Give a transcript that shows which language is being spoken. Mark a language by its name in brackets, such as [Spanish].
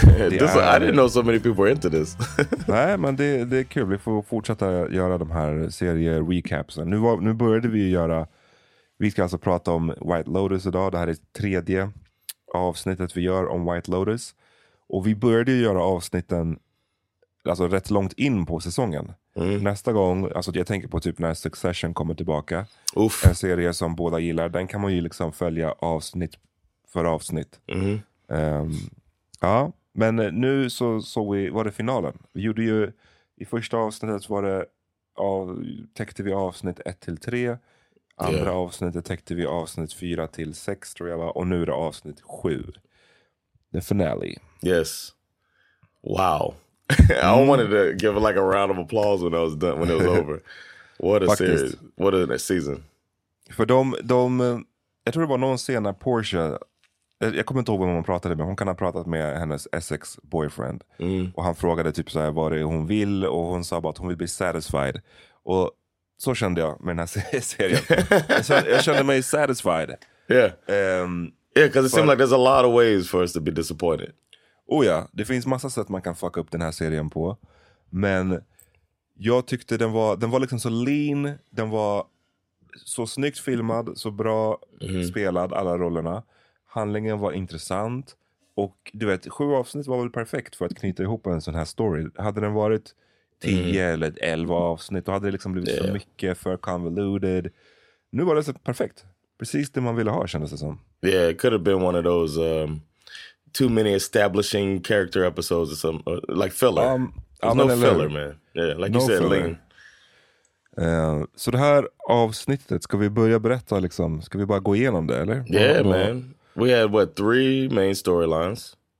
[English] This, I didn't know so many people were into this. [Swedish] Nej, men det är kul. Vi får fortsätta göra de här serie-recapsen. Nu började vi göra... Vi ska alltså prata om White Lotus idag. Det här är tredje avsnittet vi gör om White Lotus. Och vi började göra avsnitten alltså rätt långt in på säsongen. Mm. Nästa gång, alltså jag tänker på typ när Succession kommer tillbaka. Uff. En serie som båda gillar. Den kan man ju liksom följa avsnitt för avsnitt. Mm. Ja, men nu så såg vi, var det finalen. Vi gjorde ju, i första avsnittet så var det, täckte vi avsnitt 1-3. Andra avsnittet täckte vi avsnitt 4-6 tror jag var. Och nu är det avsnitt 7. [English] The finale. Yes. Wow. I wanted to give like a round of applause when I was done, when it was over. What a series. What a season. [Swedish] För de jag tror det var någon scen när Portia, jag kommer inte ihåg vem hon pratade med, hon kan ha pratat med hennes Essex boyfriend. Mm. Och han frågade typ så här vad det är hon vill, och hon sa bara att hon vill bli satisfied. Och så kände jag med den här serien. jag kände mig satisfied. [English] Yeah. Yeah, because it seemed like there's a lot of ways for us to be disappointed. [Swedish] Oh ja, det finns massa sätt man kan fucka upp den här serien på. Men jag tyckte den var liksom så lean. Den var så snyggt filmad, så bra spelad, alla rollerna. Handlingen var intressant. Och du vet, 7 avsnitt var väl perfekt för att knyta ihop en sån här story. Hade den varit 10 eller 11 avsnitt, då hade det liksom blivit så mycket för convoluted. Nu var det så perfekt. Precis det man ville ha, kändes det som. [English] Yeah, it could have been one of those... too many establishing character episodes or some like filler. No filler, man. Yeah, like no you said, lean. [Swedish] Så det här avsnittet, ska vi börja berätta liksom? Ska vi bara gå igenom det, eller? [English] Yeah, man. We had, what, 3 main storylines?